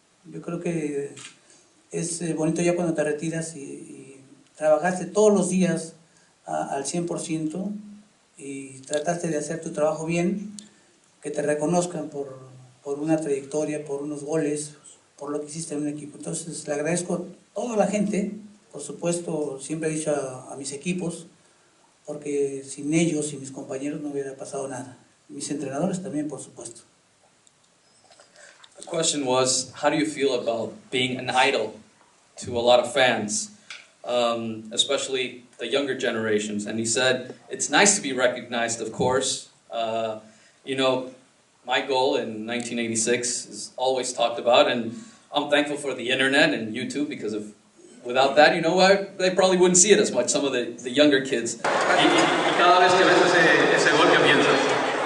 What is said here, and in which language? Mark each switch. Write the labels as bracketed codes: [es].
[es] Yo creo que es bonito ya cuando te retiras y trabajaste todos los días al 100% y trataste de hacer tu trabajo bien, que te reconozcan por una trayectoria, por unos goles, por lo que hiciste en un equipo. Entonces le agradezco a toda la gente, por supuesto, siempre he dicho a mis equipos, porque sin ellos y mis compañeros no hubiera pasado nada. Mis entrenadores también, por supuesto. [en] The question was, how do you feel about being an idol to a lot of fans, especially the younger generations? And he said, it's nice to be recognized, of course. You know, my goal in 1986 is always talked about, and I'm thankful for the internet and YouTube, because if without that, you know what, they probably wouldn't see it as much, some of the younger kids. [es] Y cada vez que ves ese gol, ¿qué piensas?